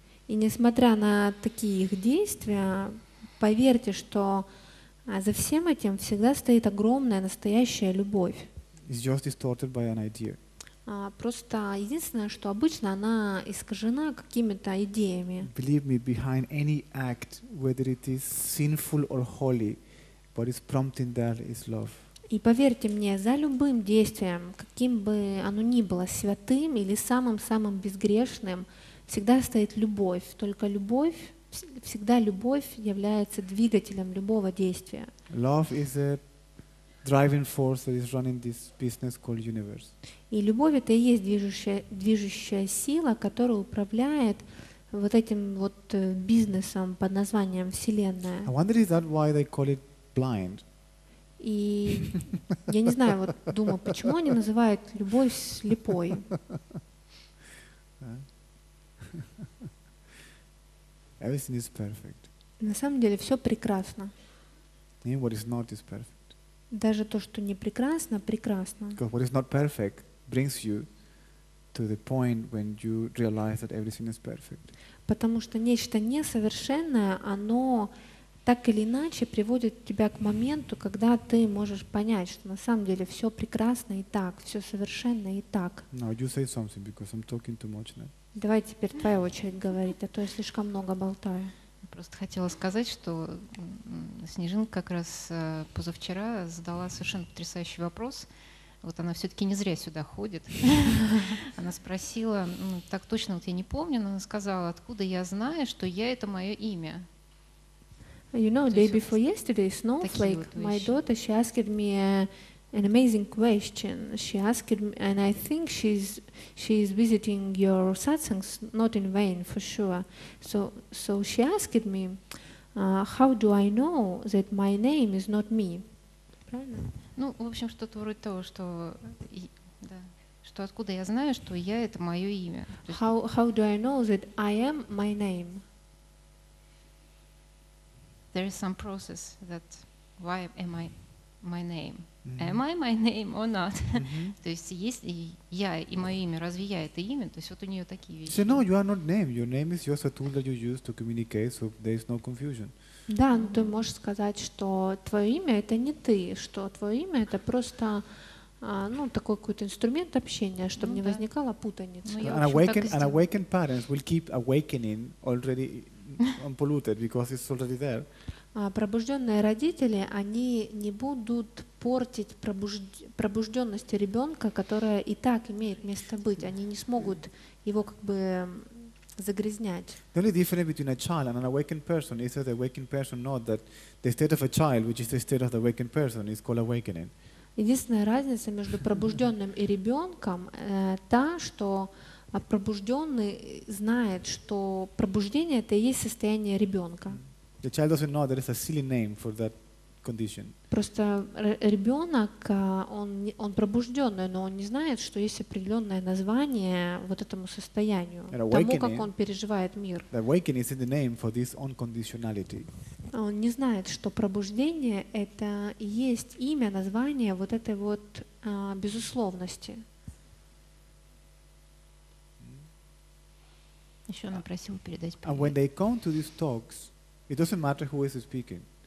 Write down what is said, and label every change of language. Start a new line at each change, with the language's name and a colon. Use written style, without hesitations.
Russian: И несмотря на такие их действия, поверьте, что за всем этим всегда стоит огромная настоящая любовь.
English: It's just distorted by an idea.
Russian: Просто единственное, что обычно она искажена какими-то идеями.
English: Believe me, behind any act, whether it is sinful or holy, what is prompting that is love.
Russian: И поверьте мне, за любым действием, каким бы оно ни было, святым или самым-самым безгрешным, всегда стоит любовь. Только любовь, всегда любовь является двигателем любого действия.
English: Love is a driving force that is running this business called universe.
Russian: И любовь — это и есть движущая сила, которая управляет вот этим вот бизнесом под названием Вселенная.
English: I wonder is that why they call it blind?
Russian: И я не знаю, вот думаю, почему они называют любовь слепой?
English: Everything is perfect.
Russian: На самом деле все прекрасно.
English: Even what is not is perfect.
Russian: Даже то, что не прекрасно, прекрасно.
English: Because what is not perfect brings you to the point when you realize that everything is perfect.
Russian: Потому что нечто несовершенное, оно так или иначе приводит тебя к моменту, когда ты можешь понять, что на самом деле все прекрасно и так, все совершенно и так.
English: Now you say something because I'm talking too much now.
Russian: Давай теперь твоя очередь говорить, а то я слишком много болтаю. Просто хотела сказать, что Снежинка как раз позавчера задала совершенно потрясающий вопрос. Вот она все-таки не зря сюда ходит. Она спросила, так точно вот я не помню, но она сказала, откуда я знаю, что я — это мое имя.
English: You know, day before yesterday, Snowflake, my daughter, she asked me an amazing question. She asked me, and I think she's visiting your satsangs, not in vain, for sure. So she asked me, how do I know that my name is not me?
Russian: Ну, в общем, что-то вроде того, что да, что откуда я знаю, что я — это мое имя.
English: How do I know that I am my name? there is some process that why am I my name? Mm-hmm. Am I my name or not?
Russian: То есть есть ли я и мое имя, разве я это имя? То есть вот у нее такие вещи.
English: So no, you are not name. Your name is just a tool that you use to communicate, so there is no confusion.
Russian: Да, но ты можешь сказать, что твое имя это не ты, что твое имя это просто ну, такой какой-то инструмент общения, чтобы не возникала путаница.
English: And awakened parents will keep awakening already unpolluted because it's already there.
Russian: Пробужденные родители, они не будут портить пробужденности ребенка, которая и так имеет место быть. Они не смогут его как бы загрязнять.
English: The only difference between a child and an awakened person is that the awakened person knows that the state of a child, which is the state of the awakened person, is called awakening.
Russian: Единственная разница между пробужденным и ребенком та, что пробужденный знает, что пробуждение это и есть состояние ребенка.
English: The child doesn't know there is a silly name for that condition.
Russian: Просто ребенок, он пробужденный, но он не знает, что есть определенное название вот этому состоянию, тому, как он переживает мир.
English: The awakening is in the name for this unconditionality.
Russian: Он не знает, что пробуждение это и есть имя, название вот этой вот безусловности. Еще она просила передать привет.
English: And when they come to these talks, it doesn't matter who is speaking.